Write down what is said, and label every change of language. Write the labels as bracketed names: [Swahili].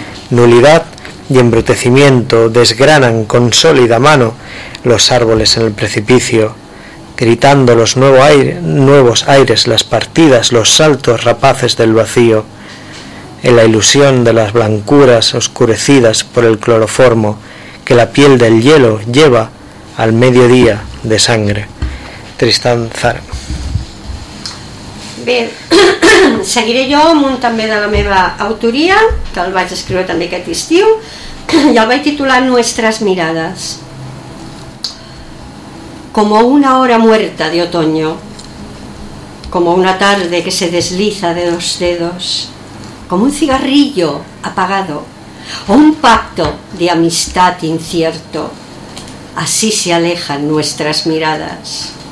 [Spanish] Nulidad y embrutecimiento desgranan con sólida mano los árboles en el precipicio, gritando los nuevos aires, las partidas, los saltos rapaces del vacío, en la ilusión de las blancuras oscurecidas por el cloroformo que la piel del hielo lleva al mediodía de sangre. Tristán Zara. [Catalan] Bé, seguiré jo amb un també de la meva autoria, que el vaig escriure també aquest estiu, i el vaig titular Nuestras miradas. [Spanish] Como una hora muerta de otoño, como una tarde que se desliza de dos dedos, como un cigarrillo apagado, o un pacto de amistad incierto, así se alejan nuestras miradas.